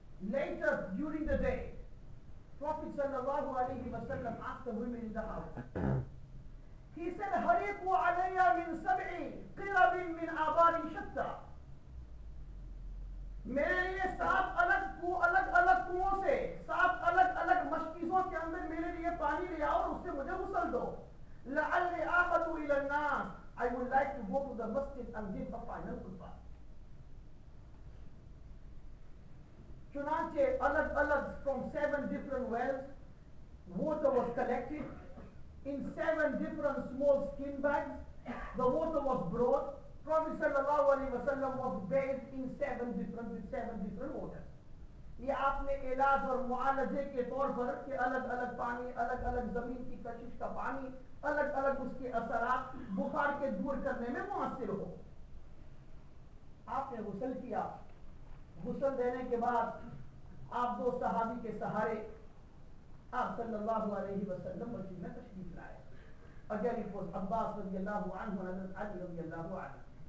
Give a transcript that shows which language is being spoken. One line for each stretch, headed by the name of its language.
English: Later during the day, Prophet sallallahu alayhi wa sallam asked the women in the house, He said,
Arabic: حَرِقُوا عَلَيَّا مِن سَبْعِ قِرَبٍ مِّنْ عَبَارٍ شَتَّى
Urdu: میرے لئے سات الگ الگ الگ کنوں سے سات الگ الگ مشکیزوں کے اندر میرے لئے پانی لیا اور اس سے مجھے غسل دو
Arabic: لَعَلِّ آخَدُوا إِلَى النَّاسِ
English: I would like to go to the masjid and give the final khutbah.
Urdu: Chunanche, alag-alag
English: from seven different wells, water was collected. In seven different small skin bags, the water was brought. Prophet sallallahu alayhi wa sallam was bathed in seven different waters.
Urdu: یہ آپ نے علاج اور معالجے کے طور پر کہ الگ الگ پانی الگ الگ زمین کی کشش کا پانی الگ الگ اس کے اثرات بخار کے دور کرنے میں مؤثر ہو آپ نے غسل کیا غسل دینے کے بعد آپ دو صحابی کے سہارے آپ صلی اللہ علیہ وسلم مسجد میں تشریف لائے اگر یہ فوز عباس رضی اللہ عنہ حضرت علی رضی اللہ عنہ